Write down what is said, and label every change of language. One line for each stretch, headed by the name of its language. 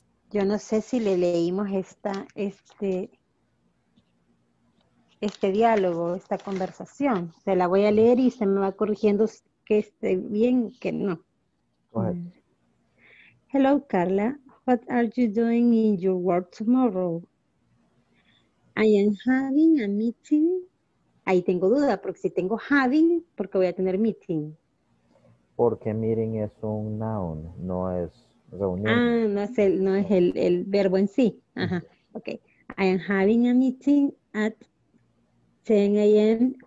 Spanish: Yo no sé si le leímos este diálogo, esta conversación. Se la voy a leer y se me va corrigiendo que esté bien, que no.
English: Hello, Carla. What are you doing in your work tomorrow? I am having a meeting.
Spanish: Ahí tengo duda, porque si tengo having, porque voy a tener meeting. Porque meeting es un noun, no es reunión. Ah, no es el verbo en sí. Ajá.
English: Okay. I am having a meeting at 10 a.m.